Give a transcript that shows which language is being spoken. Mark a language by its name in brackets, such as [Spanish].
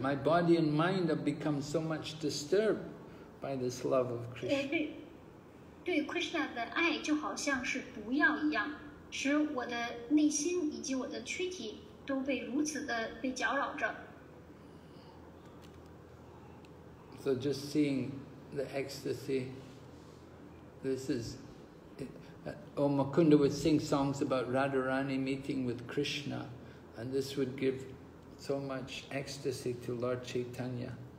[English] My body and mind have become so much disturbed by this love of Krishna. [Chinese] 对Krishna的爱就好像是毒药一样，使我的内心以及我的躯体都被如此的被搅扰着。 [English] So just seeing the ecstasy, this is, Makunda would sing songs about Radharani meeting with Krishna, and this would give so much ecstasy to Lord Chaitanya.